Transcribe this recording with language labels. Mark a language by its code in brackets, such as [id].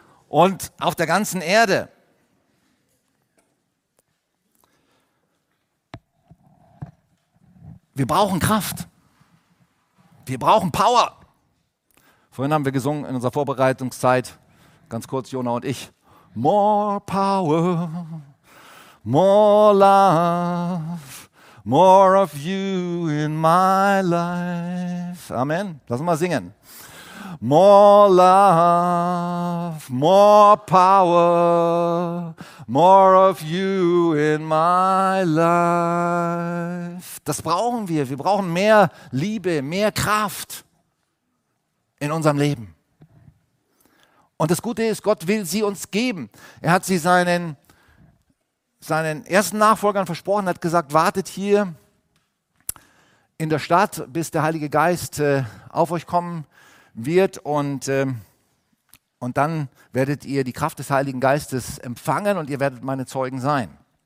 [de] Und auf der ganzen Erde. Wir brauchen Kraft. Wir brauchen Power. Vorhin haben wir gesungen in unserer Vorbereitungszeit, ganz kurz, Jona und ich. [en] More power, more love, more of you in my life. Amen. [de] Lass uns mal singen. [en] More love, more power, more of you in my life. [de] Das brauchen wir. Wir brauchen mehr Liebe, mehr Kraft in unserem Leben. Und das Gute ist, Gott will sie uns geben. Er hat sie seinen ersten Nachfolgern versprochen, hat gesagt, wartet hier in der Stadt, bis der Heilige Geist auf euch kommen wird und dann werdet ihr die Kraft des Heiligen Geistes empfangen und ihr werdet meine Zeugen sein.